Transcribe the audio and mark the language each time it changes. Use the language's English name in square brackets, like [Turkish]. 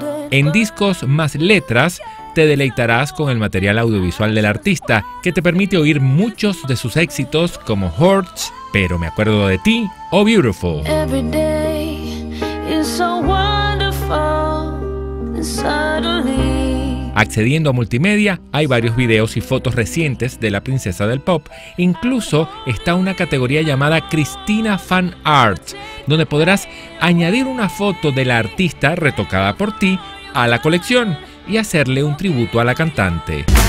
[Spanish] En Discos Más Letras te deleitarás con el material audiovisual del artista, que te permite oír muchos de sus éxitos como Hurts, Pero Me Acuerdo de Ti o Beautiful. [English] Every day is so wonderful, suddenly. [Spanish] Accediendo a multimedia, hay varios videos y fotos recientes de la princesa del pop. Incluso está una categoría llamada Cristina Fan Art, donde podrás añadir una foto de la artista retocada por ti a la colección y hacerle un tributo a la cantante.